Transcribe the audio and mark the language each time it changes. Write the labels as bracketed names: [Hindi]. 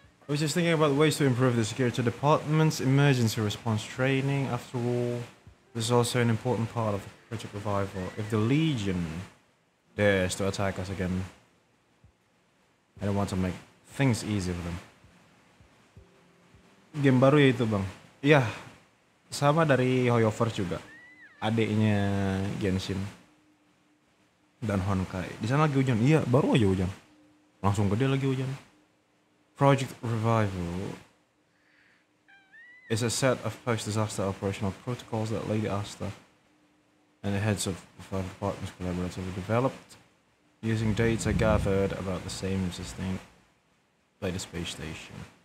[English] I was just thinking about ways to improve the security department's emergency response training. After all, this is also an important part of the Project Revival. If the Legion dares to attack us again, I don't want to make things easy for them. [Indonesian] Game baru ya itu bang? Iya, sama dari Hoyoverse juga, adiknya Genshin dan Honkai. Di sana lagi hujan. Iya, baru aja hujan. Langsung gede lagi hujan. [English] Project Revival is a set of post-disaster operational protocols that Lady Asta and the heads of the five departments collaboratively developed using data gathered about the same existing Lady Space Station.